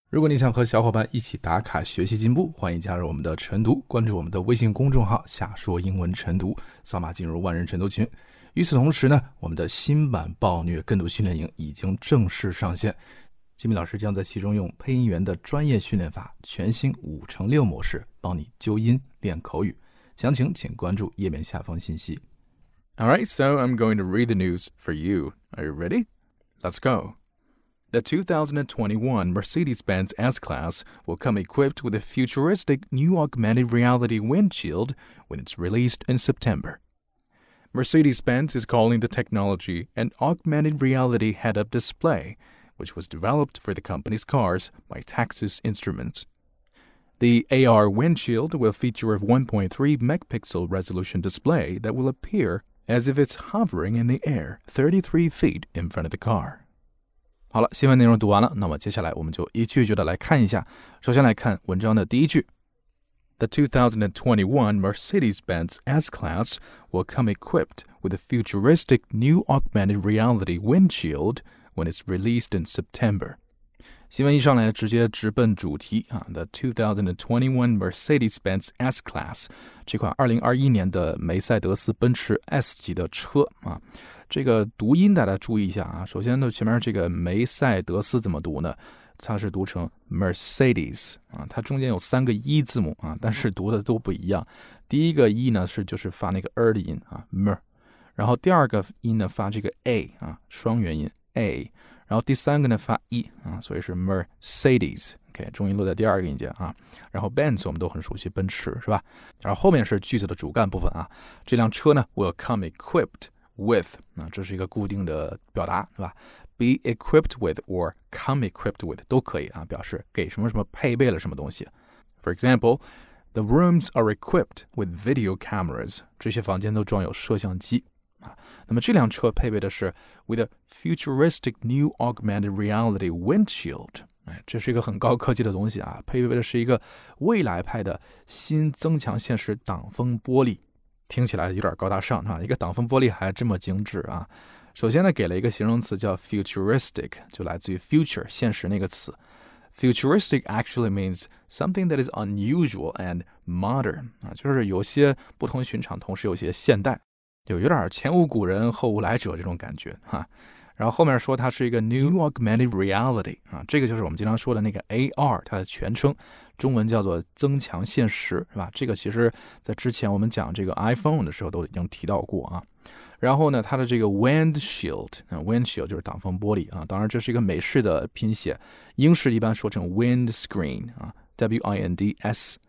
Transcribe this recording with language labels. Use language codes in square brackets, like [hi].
[zh] 如果你想和小伙伴一起打卡学习进步，欢迎加入我们的晨读，关注我们的微信公众号“夏说英文晨读”，扫码进入万人晨读群。与此同时呢，我们的新版暴虐跟读训练营已经正式上线。吉米老师将在其中用配音员的专业训练法，全新5x6模式帮你纠音练口语。详情请关注页面下方信息。 [en] Alright, so I'm going to read the news for you. Are you ready? Let's go. The 2021 Mercedes-Benz S-Class will come equipped with a futuristic new augmented reality windshield when it's released in September. Mercedes-Benz is calling the technology an augmented reality head-up display,which was developed for the company's cars by Texas Instruments. The AR windshield will feature a 1.3-megapixel resolution display that will appear as if it's hovering in the air 33 feet in front of the car. [zh] 好了，新闻内容读完了，那么接下来我们就一句一句的来看一下。首先来看文章的第一句。 [en] The 2021 Mercedes-Benz S-Class will come equipped with a futuristic new augmented reality windshield,when it's released in September. [zh] 新闻一上来直接直奔主题啊 ,The 2021 Mercedes-Benz S-Class, 这款2021年的梅赛德斯奔驰 S 级的车啊。这个读音大家注意一下啊，首先呢前面这个梅赛德斯怎么读呢，它是读成 Mercedes, 啊它中间有三个 E 字母啊，但是读的都不一样。第一个 E 呢是就是发那个 R 的音啊 ,Mer, 然后第二个音呢发这个 A, 啊双元音。 A, 然后第三个呢发 E,、啊、所以是 Mercedes, OK, 终于落在第二个音节、啊、然后 Benz 我们都很熟悉奔驰是吧，然后后面是句子的主干部分、啊、这辆车呢 [en] will come equipped with,、 [zh] 啊、这是一个固定的表达是吧， [en] be equipped with or come equipped with [zh] 都可以、啊、表示给什么什么配备了什么东西。 [en] For example, the rooms are equipped with video cameras, [zh] 这些房间都装有摄像机。那么这辆车配备的是 [en] with a futuristic new augmented reality windshield, [zh] 这是一个很高科技的东西啊，配备的是一个未来派的新增强现实挡风玻璃，听起来有点高大上啊，一个挡风玻璃还这么精致啊。首先呢给了一个形容词叫 futuristic, 就来自于 future, 现实那个词。 [en] Futuristic actually means something that is unusual and modern, [zh] 就是有些不同寻常同时有些现代。有点前无古人后无来者这种感觉、啊、然后后面说它是一个 [en] New Augmented Reality、 [zh] 啊、这个就是我们经常说的那个 AR 它的全称，中文叫做增强现实是吧，这个其实在之前我们讲这个 iPhone 的时候都已经提到过、啊、然后呢它的这个 Windshield、啊、Windshield 就是挡风玻璃、啊、当然这是一个美式的拼写，英式一般说成 Windscreen、啊、W-I-N-D-S